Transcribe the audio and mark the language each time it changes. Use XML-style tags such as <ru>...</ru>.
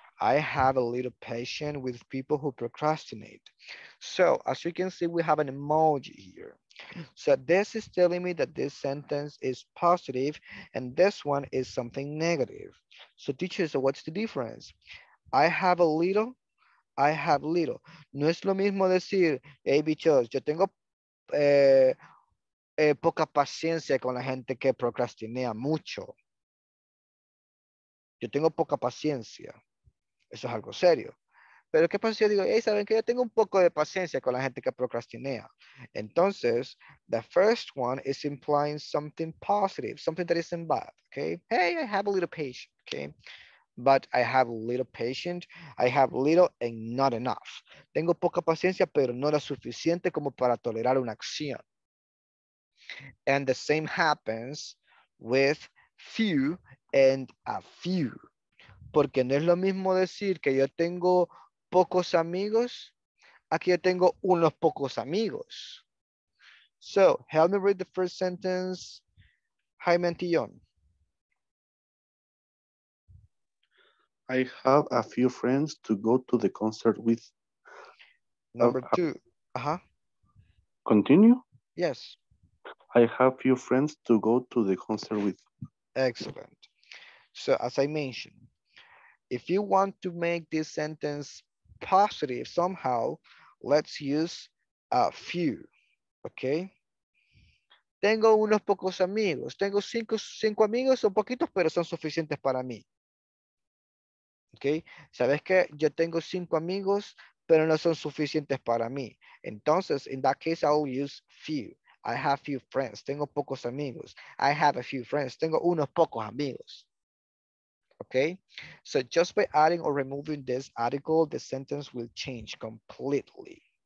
<en>I have a little patience with people who procrastinate. So as you can see, we have an emoji here. So this is telling me that this sentence is positive and this one is something negative. So teacher, so what's the difference? I have little.</en> <es>No es lo mismo decir, hey, bichos, yo tengo poca paciencia con la gente que procrastinea mucho. Yo tengo poca paciencia. Eso es algo serio. Pero ¿qué pasa si yo digo, hey, saben que yo tengo un poco de paciencia con la gente que procrastinea?</es> <en>Entonces, the first one is implying something positive, something that isn't bad, okay? Hey, I have a little patience, okay? But I have a little patience, I have little and not enough.</en> <es>Tengo poca paciencia, pero no la suficiente como para tolerar una acción.</es> <en>And the same happens with few and a few.</en> <es>Porque no es lo mismo decir que yo tengo pocos amigos, aquí yo tengo unos pocos amigos.</es> <en>So, help me read the first sentence, Jaime Antillón. I have a few friends to go to the concert with. Number two. Uh-huh. Continue? Yes. I have few friends to go to the concert with. Excellent. So as I mentioned, if you want to make this sentence positive somehow, let's use a few, okay?</en> <es>Tengo unos pocos amigos. Tengo cinco amigos, son poquitos, pero son suficientes para mí. Okay. Sabes que yo tengo cinco amigos, pero no son suficientes para mí.</es> <en>Entonces, in that case, I will use few. I have few friends.</en> <es>Tengo pocos amigos.</es> <en>I have a few friends.</en> <es>Tengo unos pocos amigos. Okay.</es> <en>So just by adding or removing this article, the sentence will change completely.</en>